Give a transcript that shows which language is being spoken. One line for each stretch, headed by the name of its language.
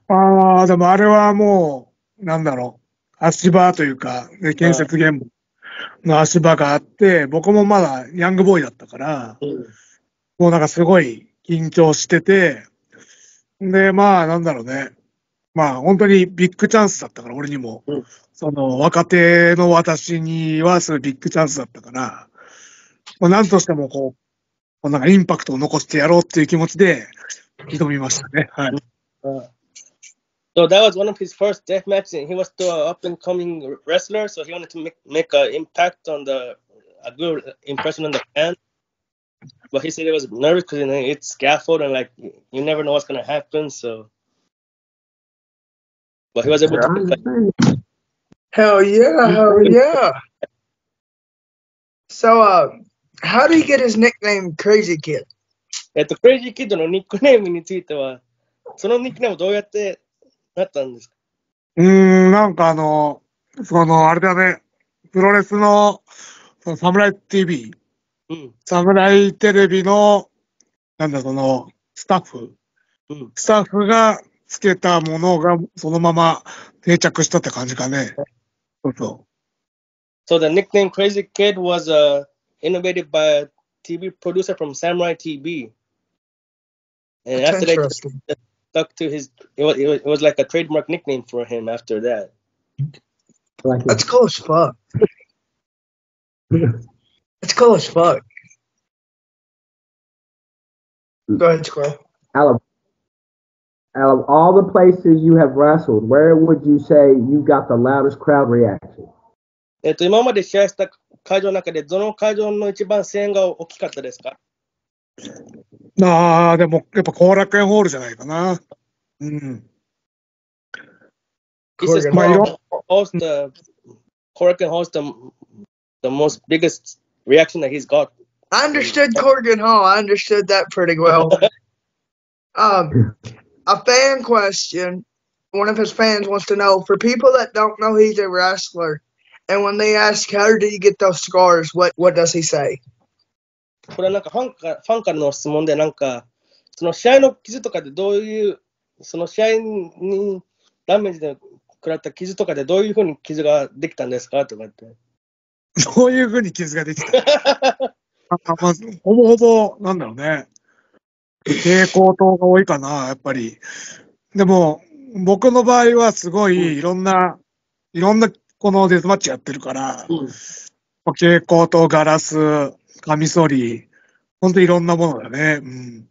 Japanese: ああ、でもあれはもう、なんだろう。足場というか、ね、建設現場の足場があって、僕もまだヤングボーイだったから、うん、もうなんかすごい緊張してて、で、まあなんだろうね。まあ本当にビッグチャンスだったから、俺にも。うん、その若手の私にはすごいビッグチャンスだったから、まあ、何としてもこう、なんかインパクトを残してやろうっていう気持ちで挑みましたね。はい。うん、
English: So that was one of his first death matches, and he was still an up-and-coming wrestler, so he wanted to make an impact on the, a good impression on the fan. But he said he was nervous because you know, it's scaffold, and like, you never know what's going to happen, so. But he was able to. Hell yeah, hell yeah. So, how did he get his nickname, Crazy Kid?
Japanese: Crazy Kid のニックネームについては、そのニックネームどうやってなんかあの、そのあれだね、プロレスのサムライ TV、サムライテレビの、なんだそのスタッフ、うん、スタッフがつけたものがそのまま定着したって感じかね。そうそう。
English: So the nickname Crazy Kid was innovated by a TV producer from Samurai TV. And after that, stuck to his, it was like a trademark nickname for him after that. That's cool as fuck. That's cool as fuck. Go ahead, Squirrel. Out of all the places you have wrestled, where would you say you got the loudest crowd reaction?
Japanese: 今まで試合した会場の中でどの会場の一番声援が大きかったですか？あでもやっぱ後楽園ホールじゃないかな。うん。
English: This is most the Corgan Hall's the most biggest reaction that he's got. I understood Corgan Hall. I understood that pretty well. a fan question. One of his fans wants to know: for people that don't know he's a wrestler, and when they ask how did he get those scars, what does he say?
Japanese: これなんかファンからの質問でなんかその試合の傷とかでどういうその試合にダメージで食らった傷とかでどういうふうに傷ができたんですかとかってどういうふうに傷ができたなんか、まあ、ほぼほぼなんだろうね蛍光灯が多いかなやっぱりでも僕の場合はすごいいろんなこのデスマッチやってるから、うん、蛍光灯ガラスカミソリ本当にいろんなものだねうん